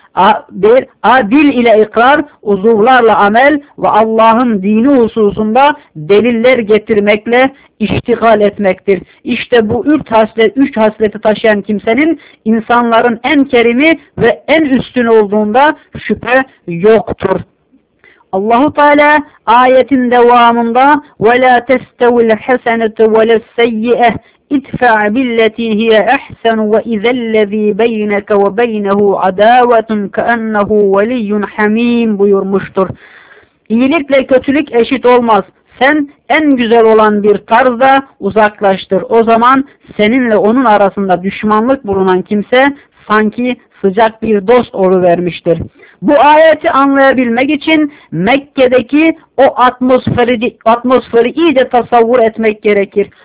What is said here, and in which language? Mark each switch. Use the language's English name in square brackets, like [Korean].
[Turkish] A, dil ile ikrar, uzuvlarla amel ve Allah'ın dini hususunda deliller getirmekle iştigal etmektir. İşte bu üç hasleti taşıyan kimsenin insanların en kerimi ve en üstün olduğunda şüphe yoktur. Allahu Teala ayetin devamında [Arabic] وَلَا تَسْتَوِ الْحَسَنَةُ وَلَا السَّيِّئَةُ اِدْفَعْ بِالَّتِي هِيَ اَحْسَنُ وَاِذَا الَّذ۪ي بَيْنَكَ وَبَيْنَهُ عَدَاوَةٌ كَأَنَّهُ وَلِيٌّ حَم۪ينَ [Turkish] buyurmuştur. İyilikle kötülük eşit olmaz. Sen en güzel olan bir tarzda uzaklaştır. O zaman seninle onun arasında düşmanlık bulunan kimse sanki sıcak bir dost oluvermiştir. Bu ayeti anlayabilmek için Mekke'deki o atmosferi iyice tasavvur etmek gerekir.